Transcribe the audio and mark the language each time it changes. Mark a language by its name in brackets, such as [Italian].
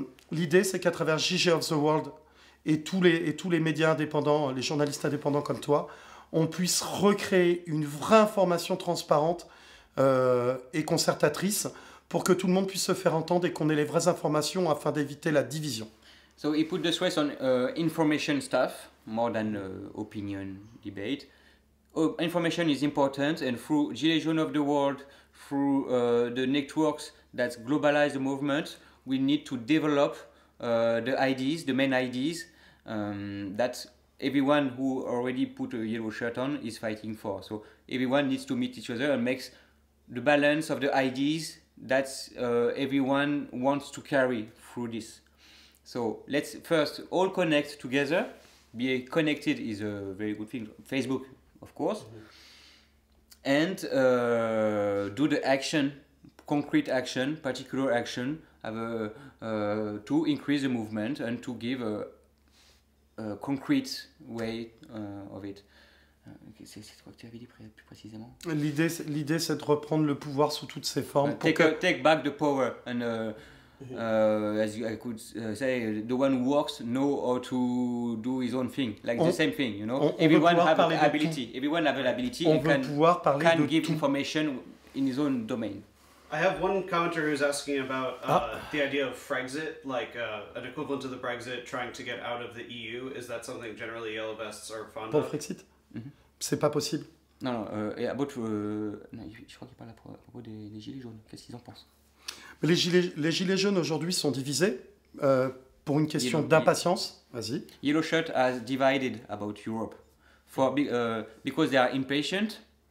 [French] L'idée, c'est qu'à travers JG of the World et tous les médias indépendants, les journalistes indépendants comme toi, on puisse recréer une vraie information transparente et concertatrice pour que tout le monde puisse se faire entendre et qu'on ait les vraies informations afin d'éviter la division. [English] So he put the stress on information stuff more than opinion debate. Information is important, and through Gilets Jaunes of the World, through the networks that globalize the movement, we need to develop the ideas, the main ideas that everyone who already put a yellow shirt on is fighting for. So everyone needs to meet each other and makes the balance of the ideas that everyone wants to carry through this. So let's first all connect together. Be connected is a very good thing. Facebook, of course. Mm-hmm. And do the action, concrete action, particular action, to increase the movement and to give a concrete way of it. [French] C'est quoi que tu avais dit plus précisément? L'idée, c'est de reprendre le pouvoir sous toutes ses formes. [English] Take back the power and... as you, I could say, the one who works know how to do his own thing, like the same thing, you know. Everyone have an ability. Can give information in his own domain. I have one commenter who's asking about the idea of Frexit, like an equivalent to the Brexit, trying to get out of the EU. Is that something generally yellow vests are fond of? [French] Pour Frexit, c'est pas possible. Non. Et à bout, je crois qu'il parle à propos des gilets jaunes. Qu'est-ce qu'ils en pensent? Les gilets jaunes aujourd'hui sont divisés pour une question d'impatience. Vas-y. [English] Yellow shirt has divided about Europe for because they are impatient.